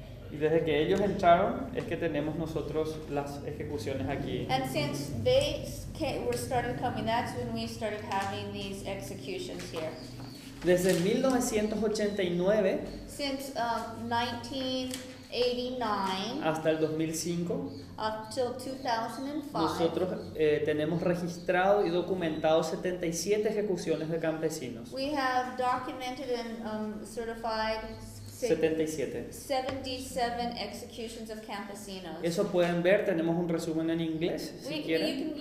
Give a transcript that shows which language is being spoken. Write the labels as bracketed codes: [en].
[es] Y desde que ellos entraron es que tenemos nosotros las ejecuciones aquí. [en] And since they were started coming, that's when we started having these executions here. [es] Desde 1989. [en] Since 1989. [es] Hasta el 2005. [en] Up till 2005. [es] Nosotros tenemos registrado y documentado 77 ejecuciones de campesinos. [en] We have documented and certified 77 executions of campesinos. [es] Eso pueden ver, tenemos un resumen en inglés, si quieren.